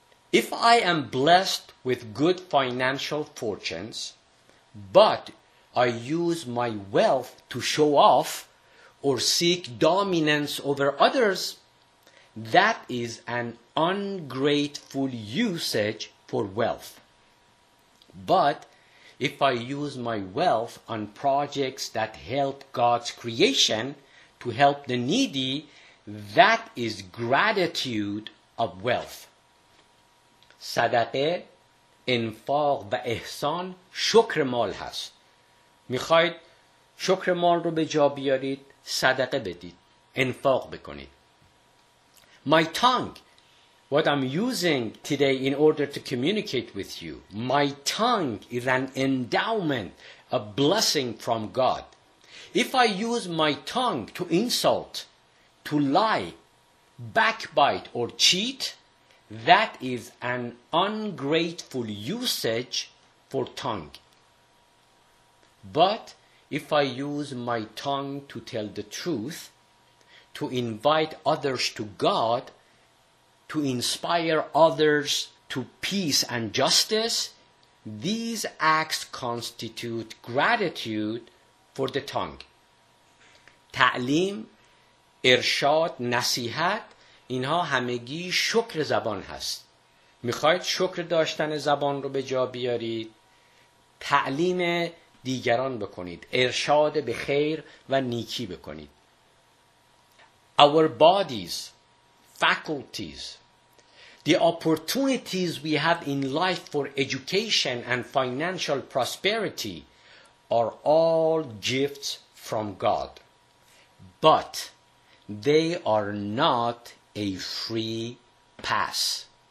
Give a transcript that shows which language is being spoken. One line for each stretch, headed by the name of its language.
English: If I am blessed with good financial fortunes, but I use my wealth to show off or seek dominance over others, that is an ungrateful usage for wealth. But if I use my wealth on projects that help God's creation to help the needy, that is gratitude of wealth.
Persian: صدقه، انفاق و احسان شکر مال هست. میخواید شکر مال رو به جا بیارید، صدقه بدید، انفاق بکنید.
English: My tongue, what I'm using today in order to communicate with you, my tongue is an endowment, a blessing from God. If I use my tongue to insult, to lie, backbite, or cheat, that is an ungrateful usage for tongue. But if I use my tongue to tell the truth, to invite others to God, to inspire others to peace and justice, these acts constitute gratitude for the tongue.
Persian: تعلیم، ارشاد، نصیحت، اینها همگی شکر زبان هست. میخواید شکر داشتن زبان رو به جا بیارید، تعلیم دیگران بکنید، ارشاد به خیر و نیکی بکنید.
English: Our bodies, faculties, the opportunities we have in life for education and financial prosperity are all gifts from God. But they are not a free pass.